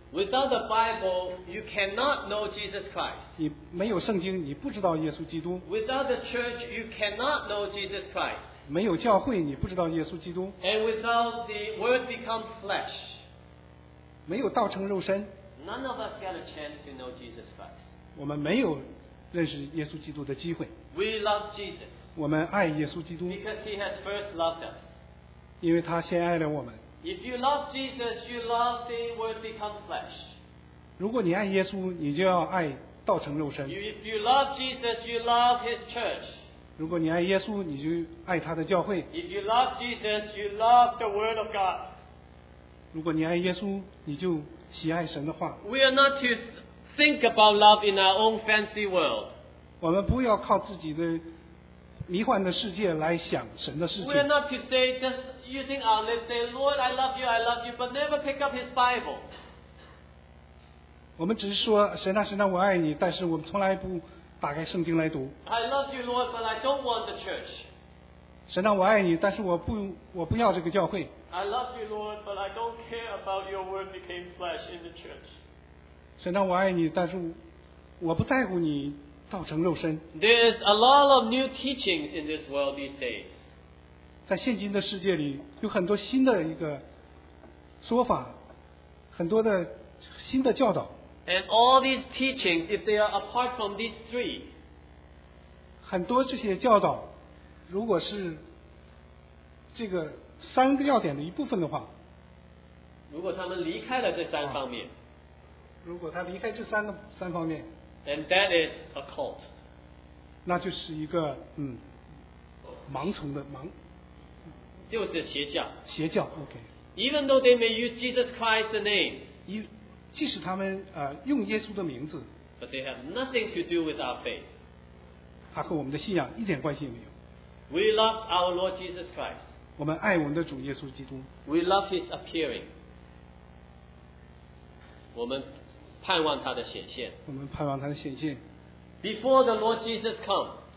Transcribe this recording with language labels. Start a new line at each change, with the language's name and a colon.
English: Without the Bible, you cannot know Jesus Christ.
Chinese: 你没有圣经，你不知道耶稣基督。
English: Without the church, you cannot know Jesus Christ.
Chinese: 没有教会，你不知道耶稣基督。
English: And without the Word become flesh,
Chinese: 没有道成肉身。
English: None of us get a chance to know Jesus Christ.
Chinese: 我们没有认识耶稣基督的机会。
English: We love Jesus.
Chinese: 我们爱耶稣基督。
English: Because He has first loved us.
Chinese: 因为他先爱了我们。
English: If you love Jesus, you love the Word become flesh.
Chinese: 如果你爱耶稣，你就要爱道成肉身。
English: If you love Jesus, you love His church.
Chinese: 如果你爱耶稣，你就爱他的教会。
English: If you love Jesus, you love the Word of God.
Chinese: 如果你爱耶稣，你就喜爱神的话。
English: We are not to think about love in our own fancy world.
Chinese: 我们不要靠自己的迷幻的世界来想神的事情。
English: We are not to say just using our lips, say, Lord, I love you, I love you, but never pick up His Bible.
Chinese: 我们只是说，神啊，神啊，我爱你，但是我们从来不打开圣经来读。
English: I love you, Lord, but I don't want the church.
Chinese: 神啊，我爱你，但是我不要这个教会。
English: I love you, Lord, but I don't care about your word became flesh in the church.
Chinese: 神啊，我爱你，但是我不在乎你道成肉身。
English: There is a lot of new teachings in this world these days.
Chinese: 在现今的世界里，有很多新的一个说法，很多的新的教导。
English: And all these teachings, if they are apart from these three,
Chinese: 很多这些教导，如果是这个三个要点的一部分的话，如果他们离开了这三方面，如果他离开这三方面。
English: And that is a cult.
Chinese: 那就是一个盲从的盲，就是邪教。邪教 ，OK.
English: Even though they may use Jesus Christ the name,
Chinese: 即使他们用耶稣的名字
English: ，but they have nothing to do with our faith.
Chinese: 他和我们的信仰一点关系也没有。
English: We love our Lord Jesus Christ.
Chinese: 我们爱我们的主耶稣基督。
English: We love His appearing.
Chinese: 我们盼望他的显现。我们盼望他的显现。
English: Before the Lord Jesus come,